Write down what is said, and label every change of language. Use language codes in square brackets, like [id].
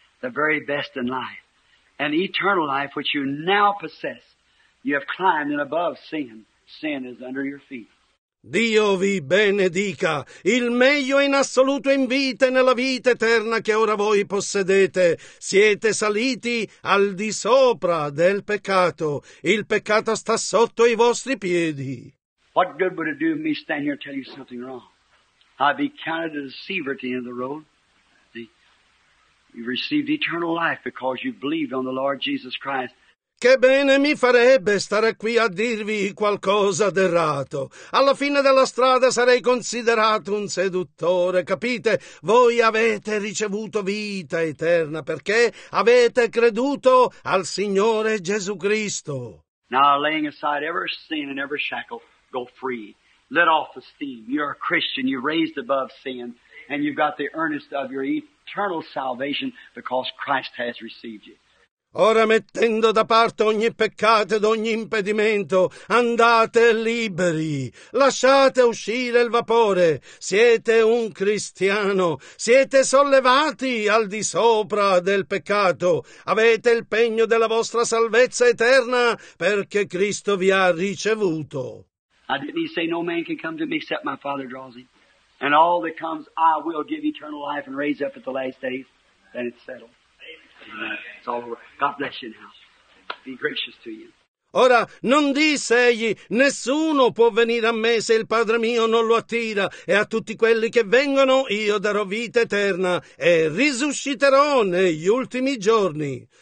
[en] The very best in life, an eternal life which you now possess. You have climbed and above sin. Sin is under your feet. [it] Dio vi benedica, il meglio in assoluto in vita e nella vita eterna che ora voi possedete. Siete saliti al di sopra del peccato. Il peccato sta sotto i vostri piedi. [en] What good would it do me stand here and tell you something wrong? I'd be counted a deceiver at the end of the road. You received eternal life because you believed on the Lord Jesus Christ. [it] Che bene mi farebbe stare qui a dirvi qualcosa d'errato. Alla fine della strada sarei considerato un seduttore, capite? Voi avete ricevuto vita eterna perché avete creduto al Signore Gesù Cristo. [en] Now laying aside every sin and every shackle, go free. Let off the steam. You're a Christian. You're raised above sin. And you've got the earnest of your eternal salvation because Christ has received you. [it] Ora mettendo da parte ogni peccato ed ogni impedimento, andate liberi, lasciate uscire il vapore, siete un cristiano, siete sollevati al di sopra del peccato, avete il pegno della vostra salvezza eterna perché Cristo vi ha ricevuto. [en] I didn't say no man can come to me except my Father draws him, and all that comes I will give eternal life and raise up at the last day, then it's settled. It's all over. God bless you now. Be gracious to you. [it] Ora, non disse egli, nessuno può venire a me se il Padre mio non lo attira, e a tutti quelli che vengono io darò vita eterna, e risusciterò negli ultimi giorni.